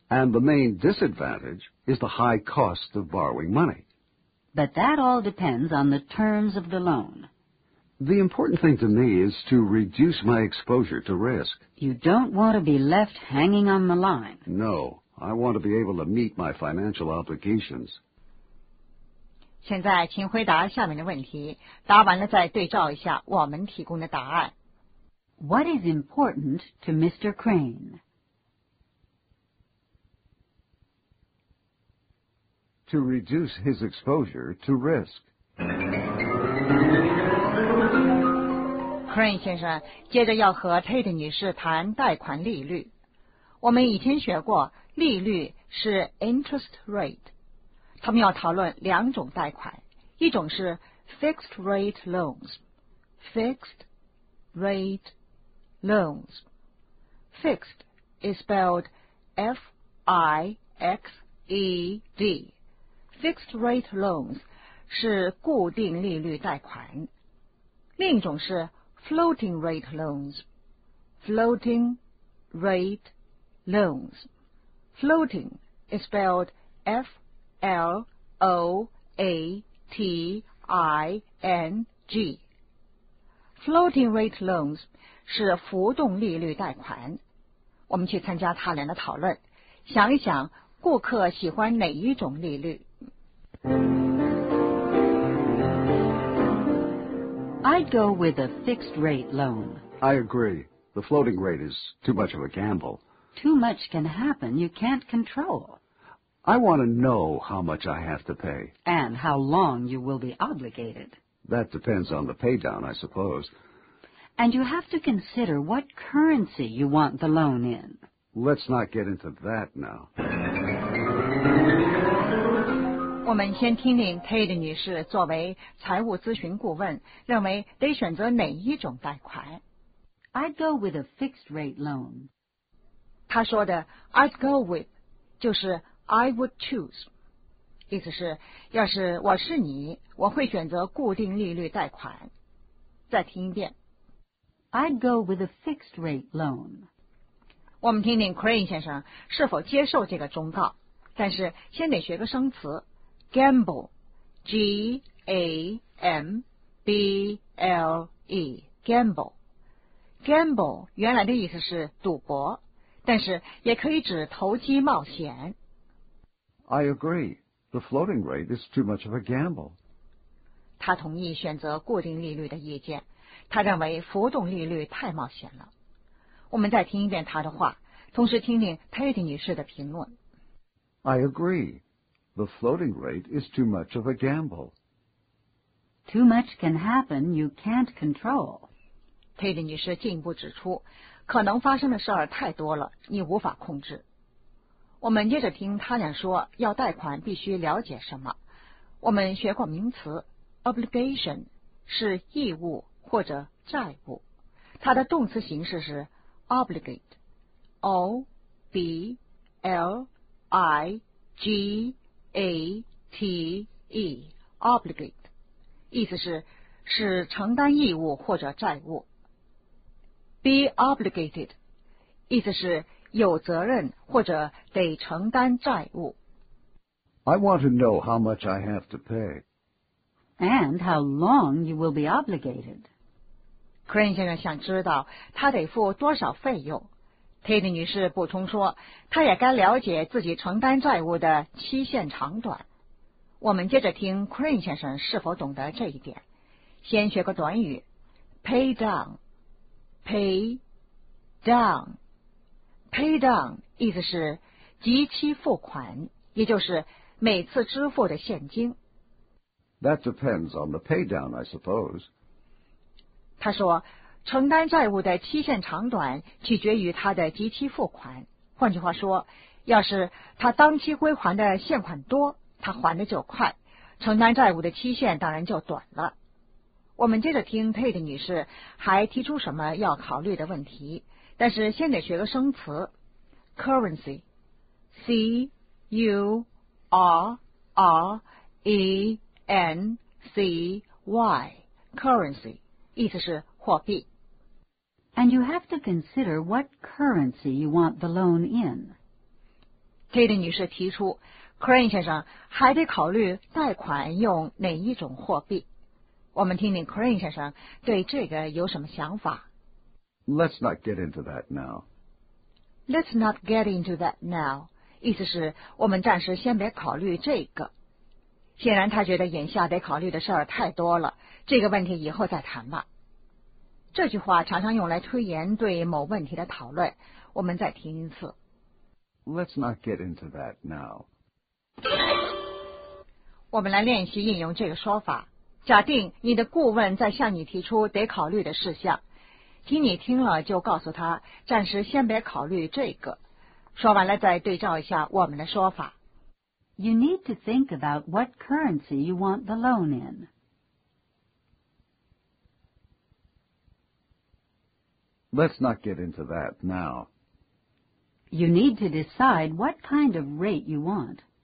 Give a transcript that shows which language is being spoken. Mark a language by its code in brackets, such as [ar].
[en] And the main disadvantage is the high cost of borrowing money. But that all depends on the terms of the loan. The important thing to me is to reduce my exposure to risk. You don't want to be left hanging on the line. No. I want to be able to meet my financial obligations. [zh] 现在请回答下面的问题，答完了再对照一下我们提供的答案。 [en] What is important to Mr. Crane? To reduce his exposure to risk. [zh] Crane 先生接着要和 Tate 女士谈贷款利率。我们以前学过，利率是 interest rate。他们要讨论两种贷款，一种是 [en] fixed rate loans， fixed rate loans， fixed is spelled F-I-X-E-D， fixed rate loans [zh] 是固定利率贷款。另一种是 [en] floating rate loans， floating rate loans， floating is spelled F-I-X-E-D L-O-A-T-I-N-G. Floating rate loans [zh] 是浮动利率贷款。我们去参加他俩的讨论，想一想顾客喜欢哪一种利率。 [en] I'd go with a fixed rate loan. I agree. The floating rate is too much of a gamble. Too much can happen you can't control. I want to know how much I have to pay. And how long you will be obligated. That depends on the pay down, I suppose. And you have to consider what currency you want the loan in. Let's not get into that now. [zh] 我们先听听 Tate 女士作为财务咨询顾问认为得选择哪一种贷款。 [en] I'd go with a fixed rate loan. [zh] 她说的 [en] I'd go with [zh] 就是 [en] I would choose， [zh] 意思是要是我是你，我会选择固定利率贷款。再听一遍。 [en] I'd go with a fixed rate loan。 [zh] 我们听听 Crane 先生是否接受这个忠告，但是先得学个生词 ，gamble，G-A-M-B-L-E， gamble。 gamble 原来的意思是赌博，但是也可以指投机冒险。 [en] I agree. The floating rate is too much of a gamble. [zh] 他同意选择固定利率的意见，他认为浮动利率太冒险了。我们再听一遍他的话，同时听听 Tate 女士的评论。 I agree. The floating rate is too much of a gamble. Too much can happen you can't control. Tate 女士进一步指出，可能发生的事儿太多了，你无法控制。我们接着听他俩说要贷款必须了解什么。我们学过名词 obligation 是义务或者债务，它的动词形式是 obligate， O-B-L-I-G-A-T-E， obligate， 意思是是承担义务或者债务。 [en] Be obligated, [zh] 意思是有责任或者得承担债务。 [en] I want to know how much I have to pay. And how long you will be obligated. [zh] Crane 先生想知道他得付多少费用。Tate 女士补充说，她也该了解自己承担债务的期限长短。我们接着听 Crane 先生是否懂得这一点。先学个短语 ,pay down, pay down, pay down 意思是即期付款，也就是每次支付的现金。 [en] That depends on the pay down, I suppose. [zh] 他说承担债务的期限长短取决于他的即期付款，换句话说，要是他当期归还的现款多，他还的就快，承担债务的期限当然就短了。我们接着听 Tate 女士还提出什么要考虑的问题，但是先得学个生词 currency, C U R R E N C Y, currency, 意思是货币。 [en] And you have to consider what currency you want the loan in. [zh] Tate 女士提出 ,Crane 先生还得考虑贷款用哪一种货币。我们听听 Crane 先生对这个有什么想法。 [en] Let's not get into that now. Let's not get into that now. [zh] 意思是我们暂时先别考虑这个。显然他觉得眼下得考虑的事儿太多了，这个问题以后再谈吧。这句话常常用来推延对某问题的讨论，我们再听一次。 Let's not get into that now. 我们来练习应用这个说法。假定你的顾问在向你提出得考虑的事项，请你听了就告诉他暂时先别考虑这个。说完了再对照一下我们的说法。 [en] You need to think about what currency you want the loan in. Let's not get into that now. You need to decide what kind of rate you want.